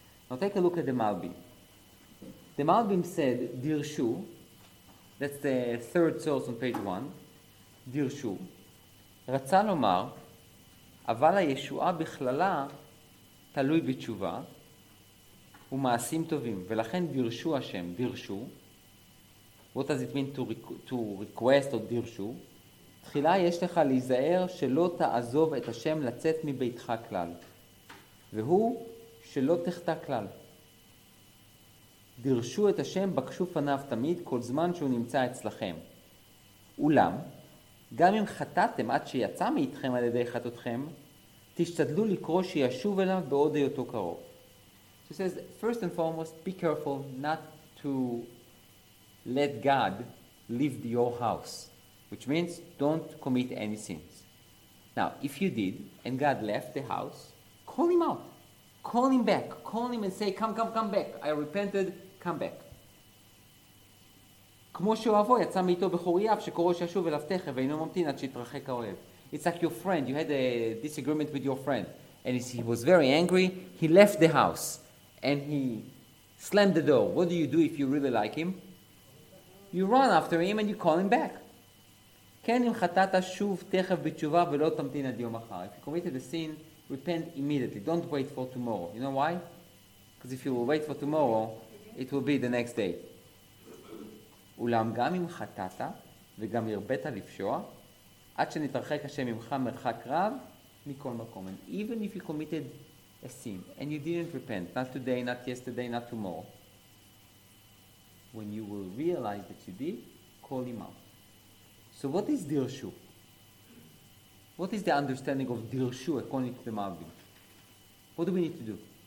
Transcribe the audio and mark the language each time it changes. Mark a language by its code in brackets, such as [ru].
[en] Now take a look at the Malbim. The Malbim said, Dirshu, that's the third source on page one, Dirshu, [he] Ratza lomar, אבל הישועה בכללה תלוי בתשובה ומעשים טובים. ולכן דירשו השם, דירשו. [en] What does it mean to request or דירשו? [he] תחילה יש לך להיזהר שלא תעזוב את השם לצאת מביתך כלל. והוא שלא תחטא כלל. דירשו את השם בקשו פניו תמיד כל זמן שהוא נמצא אצלכם. אולם, גם אם חטאתם עד שיצא מאיתכם על ידי חטאתכם, תשתדלו לקרוא שישוב אליו בעוד היותו קרוב. [en] So it says, first and foremost, be careful not to let God leave your house, which means don't commit any sins. Now, if you did, and God left the house, call him out. Call him back. Call him and say, come back. I repented, come back. [he] כמו שאוהבו, יצא מאיתו בחורייו, שקורא שישוב אליו תכף, ואינו ממתין עד שיתרחק האוהב. [en] It's like your friend. You had a disagreement with your friend. And he was very angry. He left the house. And he slammed the door. What do you do if you really like him? You run after him and you call him back. [he] כן, אם חטאת שוב תכף בתשובה ולא תמתין עד יום אחר. [en] If you committed a sin, repent immediately. Don't wait for tomorrow. You know why? Because if you will wait for tomorrow, it will be the next day. [he] אולם גם אם חטאת וגם הרבית לפשוע, עד שנתרחק השם ממך מרחק רב מכל מקום. [en] And even if you committed a sin, and you didn't repent, not today, not yesterday, not tomorrow, when you will realize that you did, call him out. So what is Dirshu? What is the understanding of Dirshu according to the Maharvim? What do we need to do?